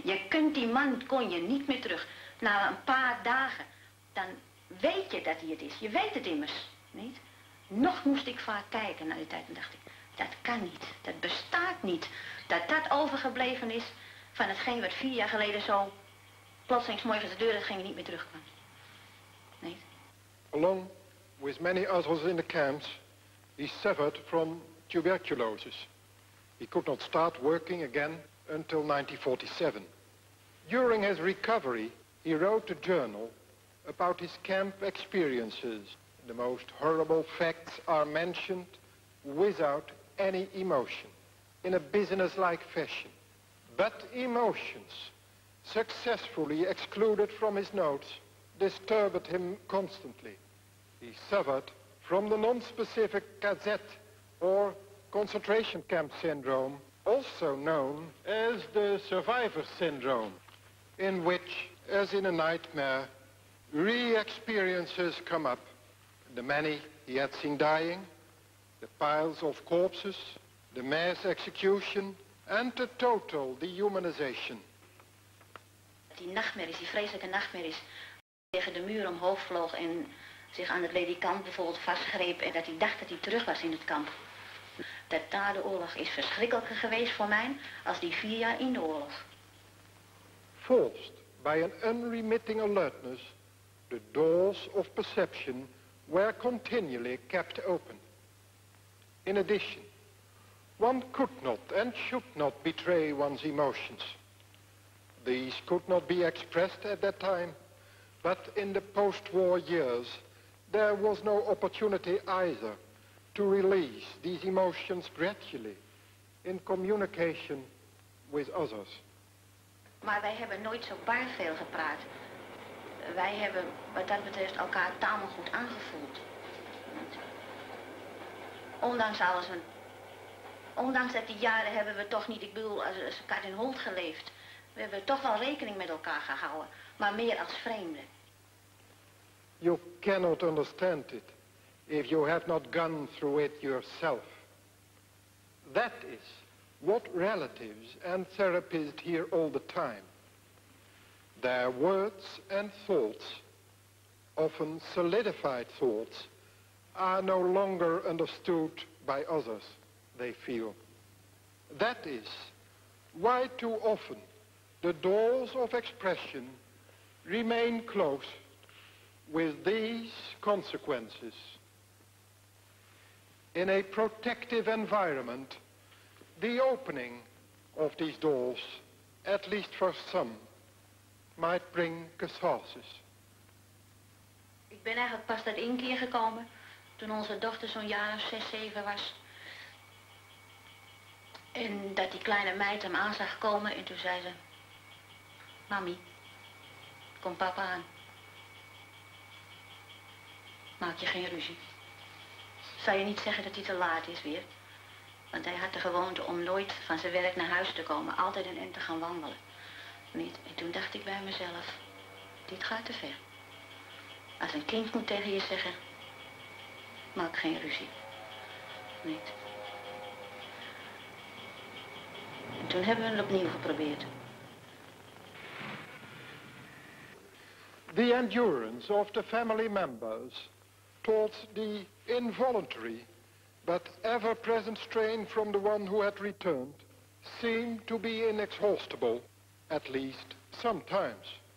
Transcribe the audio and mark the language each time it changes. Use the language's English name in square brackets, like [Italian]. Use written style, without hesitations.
[Dutch] Je kunt die man, kon je niet meer terug. Na een paar dagen, dan weet je dat hij het is. Je weet het immers, niet? Nog moest ik vaak kijken naar die tijd en dacht ik, dat kan niet, dat bestaat niet. Dat dat overgebleven is van hetgeen wat 4 jaar geleden zo plotseling morgens de deur ging en niet meer terugkwam. Niet? [English] Along with many others in the camps, he suffered from tuberculosis. He could not start working again until 1947. During his recovery, he wrote a journal about his camp experiences. The most horrible facts are mentioned without any emotion, in a business-like fashion. But emotions, successfully excluded from his notes, disturbed him constantly. He suffered from the non-specific KZ or concentration camp syndrome, also known as the survivor syndrome, in which, as in a nightmare, re-experiences come up. The many he had seen dying, the piles of corpses, the mass execution, and the total dehumanization. [Dutch] Die nachtmerries, die vreselijke nachtmerries, tegen de muur omhoog vloog en zich aan het ledikant bijvoorbeeld vastgreep en dat hij dacht dat hij terug was in het kamp. Dat daar de oorlog is verschrikkelijker geweest voor mij als die 4 jaar in de oorlog. [English] Forced by an unremitting alertness, the doors of perception were continually kept open. In addition, one could not and should not betray one's emotions. These could not be expressed at that time, but in the post-war years, there was no opportunity either to release these emotions gradually in communication with others. [Dutch] Maar wij hebben nooit zo bar veel gepraat. Wij hebben wat dat betreft elkaar tamelijk goed aangevoeld. Ondanks alles. Ondanks dat die jaren hebben we toch niet, ik bedoel, als kat en hond geleefd. We hebben toch wel rekening met elkaar gehouden, maar meer als vreemden. [English] You cannot understand it if you have not gone through it yourself. That is what relatives and therapists hear all the time. Their words and thoughts, often solidified thoughts, are no longer understood by others, they feel. That is why too often the doors of expression remain closed with these consequences. In a protective environment, the opening of these doors, at least for some, might bring catharsis. [Dutch] Ik ben eigenlijk pas dat 1 keer gekomen, toen onze dochter zo'n jaar of 6, 7 was. En dat die kleine meid hem aan zag komen en toen zei ze, mami, kom papa aan. Maak je geen ruzie. Zou je niet zeggen dat hij te laat is weer? Want hij had de gewoonte om nooit van zijn werk naar huis te komen. Altijd een eind te gaan wandelen. Niet? En toen dacht ik bij mezelf, dit gaat te ver. Als een kind moet tegen je zeggen, maak geen ruzie. Niet? En toen hebben we het opnieuw geprobeerd. [English] The endurance of the family members towards the involuntary but ever-present strain from the one who had returned seemed to be inexhaustible, at least sometimes.